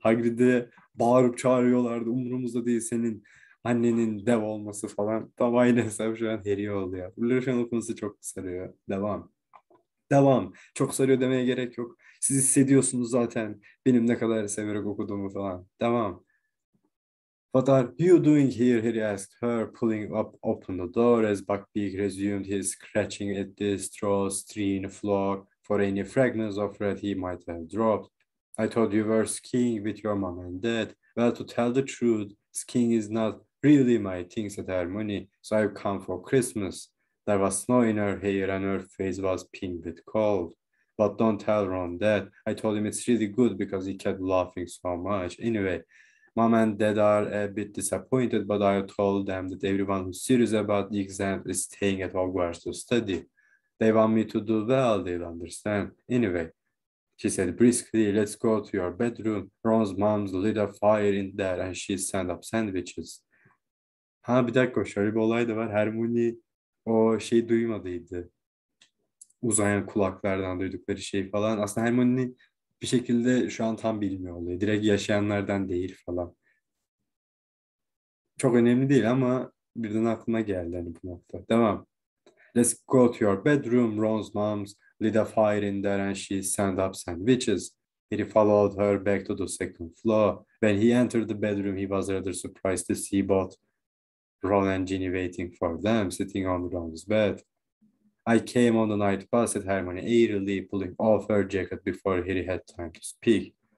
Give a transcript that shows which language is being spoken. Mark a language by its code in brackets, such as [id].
[tr] Hagrid'i bağırıp çağırıyorlardı. Umurumuzda değil senin annenin dev olması falan. Tam aynı hesap şu an Harry oluyor. Blur'un okuması çok sarıyor. Devam. Devam. Çok sarıyor demeye gerek yok. Siz hissediyorsunuz zaten benim ne kadar severek okuduğumu falan. Devam. [en] What are you doing here? Harry asked her, pulling up open the door as Buckbeak resumed his scratching at the straw-strewn floor for any fragments of thread he might have dropped. I thought you were skiing with your mom and dad. Well, to tell the truth, skiing is not really my thing, said Hermione, so I've come for Christmas. There was snow in her hair and her face was pink with cold. But don't tell Ron that. I told him it's really good because he kept laughing so much. Anyway, mom and dad are a bit disappointed, but I told them that everyone who's serious about the exam is staying at Hogwarts to study. They want me to do well, they'll understand. Anyway, she said briskly, let's go to your bedroom. Ron's mom's lit a fire in there and she sent up sandwiches. [tr] Ha bir dakika, şöyle bir olay da var. Hermione o şey duymadıydı. Uzayan kulaklardan duydukları şey falan. Aslında Hermione'nin bir şekilde şu an tam bilmiyor oluyor. Direkt yaşayanlardan değil falan. Çok önemli değil ama birden aklıma geldi hani bu nokta. Devam. [en] Let's go to your bedroom, Ron's mom's lit a fire in there and she sent up sandwiches. He followed her back to the second floor. When he entered the bedroom, he was rather surprised to see both Ron and Ginny waiting for them, sitting on Ron's bed. I came on the night bus, said Hermione eerily, pulling off her jacket before Harry had time to speak.